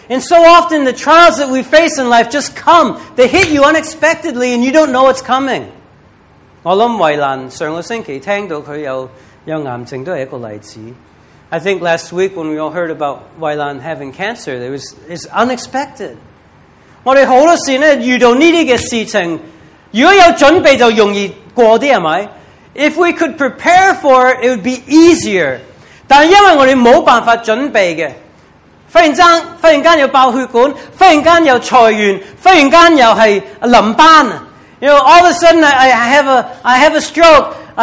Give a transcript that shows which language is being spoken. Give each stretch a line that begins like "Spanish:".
English: and so often the trials that we face in life just come, they hit you unexpectedly and you don't know what's coming.
Chinese: 我想慧兰上个星期听到她有癌症都是一个例子。
English: I think last week when we all heard about Weilan having cancer, it's unexpected.
Chinese: 我们很多时候遇到这些事情,如果有准备就容易过,对吗?
English: If we could prepare for it, it would be easier.
Chinese: 但因为我们没有办法准备的,忽然间有爆血管,忽然间有裁员,忽然间又是淋巴。
English: You know, all of a sudden, I have a stroke.